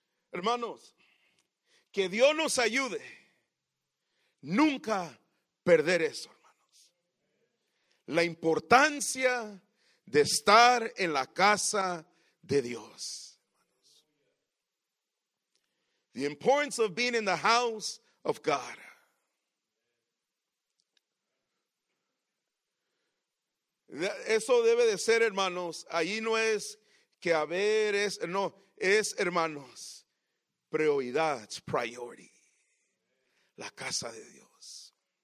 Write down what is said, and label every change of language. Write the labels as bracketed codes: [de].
[es] Hermanos, que Dios nos ayude nunca perder eso, hermanos. La importancia de estar en la casa de Dios. [en] The importance of being in the house of God. [es] Eso debe de ser, hermanos. Ahí no es que haber, es, no, es, hermanos, prioridad, priority. La casa de Dios.